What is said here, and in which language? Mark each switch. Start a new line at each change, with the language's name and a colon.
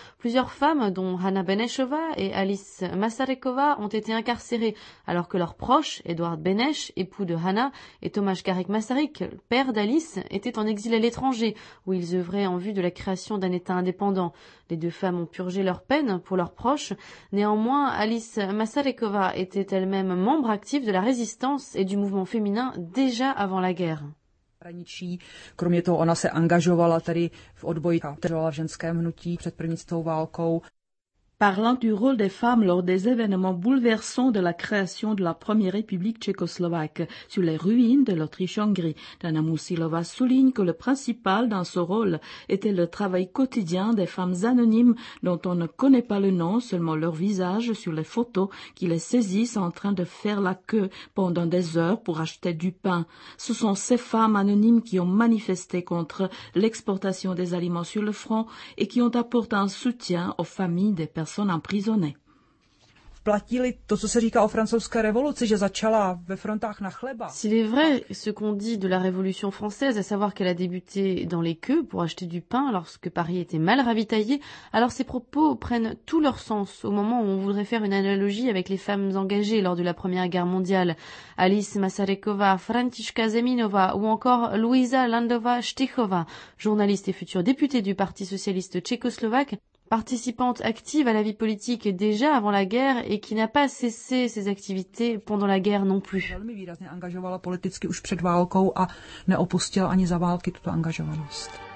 French: Plusieurs femmes, dont Hanna Benešová et Alice Masarykova, ont été incarcérées, alors que leur proche, Edouard Beneš, époux de Hanna, et Tomáš Garrigue Masaryk, père d'Alice, étaient en exil à l'étranger, où ils œuvraient en vue de la création d'un État indépendant. Les deux femmes ont purgé leur peine pour leurs proches. Néanmoins, Alice Masarykova était elle-même membre active de la résistance et du mouvement féminin déjà avant la guerre.
Czech: Kromě toho ona se angažovala tady v odboji v ženském hnutí před první světovou válkou.
French: Parlant du rôle des femmes lors des événements bouleversants de la création de la première République tchécoslovaque sur les ruines de l'Autriche-Hongrie, Dana Musilova souligne que le principal dans ce rôle était le travail quotidien des femmes anonymes dont on ne connaît pas le nom, seulement leur visage sur les photos qui les saisissent en train de faire la queue pendant des heures pour acheter du pain. Ce sont ces femmes anonymes qui ont manifesté contre l'exportation des aliments sur le front et qui ont apporté un soutien aux familles des personnes emprisonnées.
Czech: Platí-li to, co se říká o francouzské revoluci, že začala ve frontách na chleba?
French: S'il est vrai ce qu'on dit de la révolution française, à savoir qu'elle a débuté dans les queues pour acheter du pain lorsque Paris était mal ravitaillé, alors ces propos prennent tout leur sens au moment où on voudrait faire une analogie avec les femmes engagées lors de la Première Guerre mondiale. Alice Masarykova, Františka Zeminová ou encore Luisa Landová-Štychová, journaliste et future députée du Parti socialiste tchécoslovaque, participante active à la vie politique déjà avant la guerre et qui n'a pas cessé ses activités pendant la guerre non plus.
Czech: Velmi výrazně angažovala politicky už před válkou a neopustila ani za války tuto angažovanost.